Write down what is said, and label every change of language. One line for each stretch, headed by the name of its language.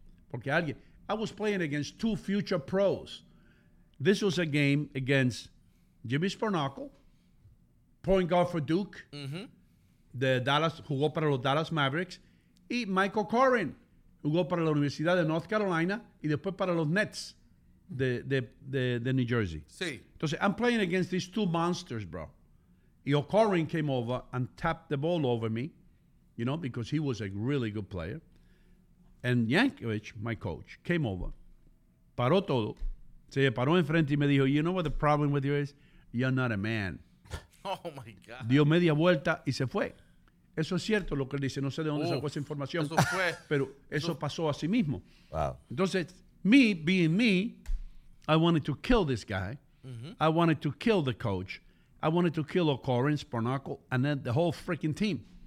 Spanish: Porque alguien...
English: I was playing against two future pros. This was a game against Jimmy Sparnacle, point guard for Duke, mm-hmm.
Spanish: de Dallas, jugó para los Dallas Mavericks, y Michael Corrin. Jugó para la Universidad de North Carolina y después para los Nets de New Jersey. Sí.
English: Entonces, I'm playing against these two monsters, bro. Y O'Corrin came over and tapped the ball over me, you know, because he was a really good player. And Yankovic, my coach, came over,
Spanish: paró todo, se paró enfrente y me dijo,
English: you know what the problem with you is? You're not a man. Oh, my God.
Spanish: Dio media vuelta y se fue. Eso es cierto lo que él dice. No sé de dónde sacó esa información. Eso fue. Pero eso pasó a sí mismo.
English: Wow. Entonces, me being me, I wanted to kill this guy. Mm-hmm. I wanted to kill the coach. I wanted to kill O'Corrin, Sparnacle, and then the whole freaking team.